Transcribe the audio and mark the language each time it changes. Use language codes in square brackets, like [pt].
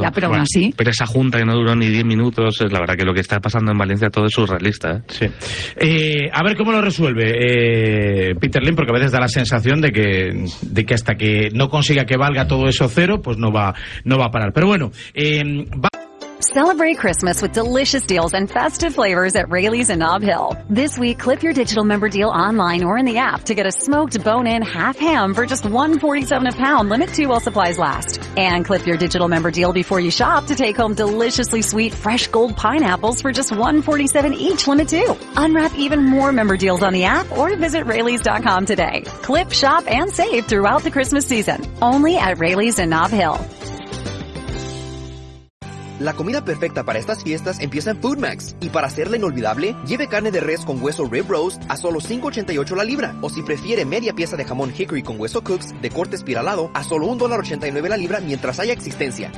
[es] Ya, pero bueno, aún así... Pero esa junta que no duró ni 10 minutos, la verdad que lo que está pasando en Valencia todo es surrealista, ¿eh? Sí. A ver cómo lo resuelve Peter Lin, porque a veces da la sensación de que hasta que no consiga que valga todo eso cero, pues no va a parar. Pero bueno, [en] Celebrate Christmas with delicious deals and festive flavors at Raley's and Nob Hill. This week, clip your digital member deal online or in the app to get a smoked bone-in half ham for just $1.47 a pound, limit 2 while supplies last. And clip your digital member deal before you shop to take home deliciously sweet fresh gold pineapples for just $1.47 each, limit 2. Unwrap even more member deals on the app or visit Raley's.com today. Clip, shop, and save throughout the Christmas season. Only at Raley's and Nob Hill. [es] La comida perfecta para estas fiestas empieza en Food Max. Y para hacerla inolvidable, lleve carne de res con hueso Rib Roast a solo $5.88 la libra. O si prefiere, media pieza de jamón Hickory con hueso Cooks de corte espiralado a solo $1.89 la libra mientras haya existencia.